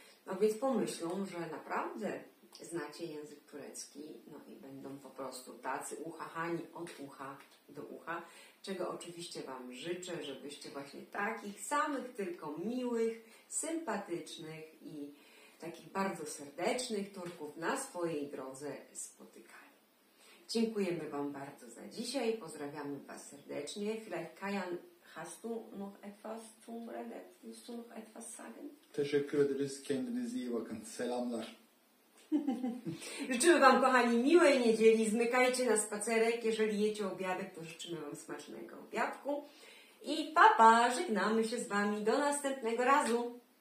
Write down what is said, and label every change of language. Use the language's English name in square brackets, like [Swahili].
[Polish] No więc pomyślą, że naprawdę znacie język turecki, no i będą po prostu tacy uchachani od ucha do ucha, czego oczywiście Wam życzę, żebyście właśnie takich samych, tylko miłych, sympatycznych i takich bardzo serdecznych Turków na swojej drodze spotykali. Dziękujemy Wam bardzo za dzisiaj. Pozdrawiamy Was serdecznie. [German] Vielleicht, Kajan, hast du noch etwas zum Reden? Willst du noch etwas sagen? [Turkish] Teşekkür ederiz. Kendinize iyi bakın. Selamlar. [Polish] Życzymy Wam, kochani, miłej niedzieli. Zmykajcie na spacerek. Jeżeli jecie obiadek, to życzymy Wam smacznego obiadku. I pa, pa! Żegnamy się z Wami. Do następnego razu.